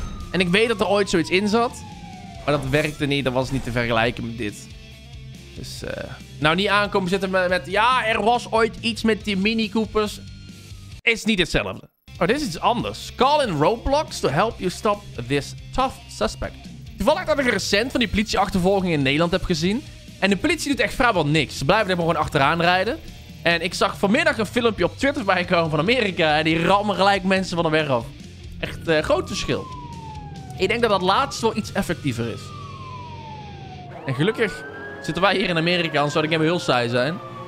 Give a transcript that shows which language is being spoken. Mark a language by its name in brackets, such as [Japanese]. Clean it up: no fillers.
[Dutch] En ik weet dat er ooit zoiets in zat. Maar dat werkte niet. Dat was niet te vergelijken met dit. Dus, nou, niet aankomen zitten met... Ja, er was ooit iets met die Mini Coopers. Is niet hetzelfde. Oh, dit is iets anders. [English] Call in Roblox to help you stop this tough suspect. [Dutch] Toevallig dat ik recent van die politieachtervolging in Nederland heb gezien. En de politie doet echt vrijwel niks. Ze blijven er gewoon achteraan rijden. En ik zag vanmiddag een filmpje op Twitter voorbij komen van Amerika. En die rammen gelijk mensen van de weg af. Echt een groot verschil. Ik denk dat dat laatste wel iets effectiever is. En gelukkig zitten wij hier in Amerika, anders zou ik even heel saai zijn.